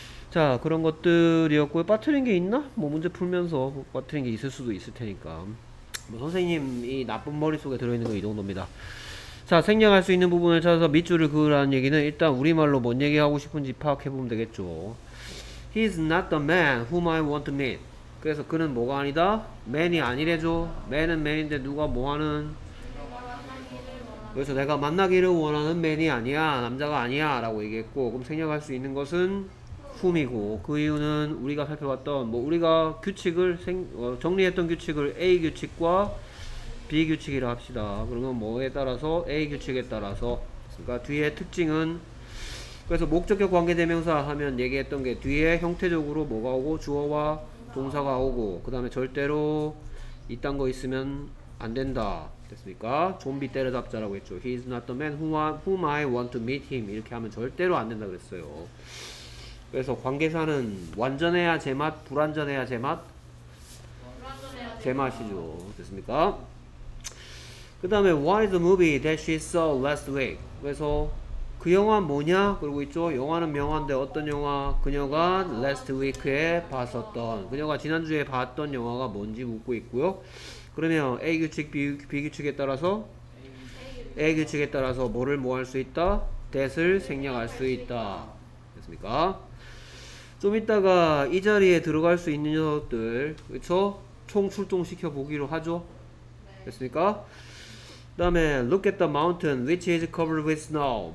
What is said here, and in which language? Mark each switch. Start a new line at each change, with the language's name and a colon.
Korean: 자, 그런 것들이었고요. 빠트린 게 있나? 뭐 문제 풀면서 빠트린 게 있을 수도 있을 테니까 뭐 선생님이 나쁜 머릿속에 들어있는 건 이 정도입니다. 자, 생략할 수 있는 부분을 찾아서 밑줄을 그으라는 얘기는 일단 우리말로 뭔 얘기하고 싶은지 파악해보면 되겠죠.
English: He's not the man whom I want to meet.
Korean: 그래서 그는 뭐가 아니다? man이 아니래죠. man은 man인데 누가 뭐하는? 그래서 내가 만나기를 원하는 man이 아니야, 남자가 아니야 라고 얘기했고 그럼 생략할 수 있는 것은 품이고 그 이유는 우리가 살펴봤던 뭐 우리가 규칙을 정리했던 규칙을 A 규칙과 B 규칙이라 합시다. 그러면 뭐에 따라서 A 규칙에 따라서 그러니까 뒤에 특징은 그래서 목적격 관계대명사 하면 얘기했던 게 뒤에 형태적으로 뭐가 오고 주어와 동사가 오고 그다음에 절대로 이딴 거 있으면 안 된다. 됐습니까? 좀비 때려잡자라고 했죠.
English: He is not the man whom I want to meet him.
Korean: 이렇게 하면 절대로 안 된다 그랬어요. 그래서 관계사는 완전해야 제맛, 불완전해야 제맛? 제맛이죠. 됐습니까? 그 다음에
English: Why the movie that she saw last week?
Korean: 그래서 그 영화 뭐냐? 그러고 있죠. 영화는 명화인데 어떤 영화? 그녀가 last week에 봤었던, 그녀가 지난주에 봤던 영화가 뭔지 묻고 있고요. 그러면 A 규칙, B 규칙에 따라서 A 규칙에 따라서 뭐를 뭐 할 수 있다? that을 생략할 수 있다. 됐습니까? 좀 이따가 이 자리에 들어갈 수 있는 녀석들, 그쵸? 총 출동시켜 보기로 하죠. 됐습니까? 그 다음에
English: look at the mountain which is covered with snow.